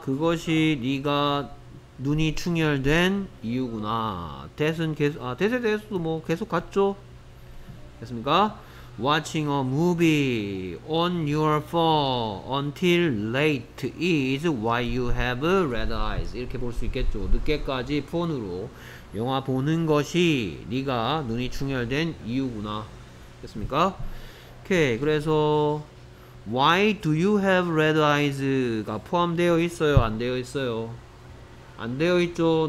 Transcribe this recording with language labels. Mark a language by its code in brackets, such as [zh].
[ko] 그것이 네가 눈이 충혈된 이유구나. that은 계속 아 that에 대해서도 뭐 계속 갔죠. 됐습니까? [en] Watching a movie on your phone until late is why you have red eyes. [ko] 이렇게 볼 수 있겠죠. 늦게까지 폰으로 영화 보는 것이 네가 눈이 충혈된 이유구나. 됐습니까? 오케이. 그래서 [en] why do you have red eyes [ko] 가 포함되어 있어요? 안 되어 있어요? 안 되어 있죠.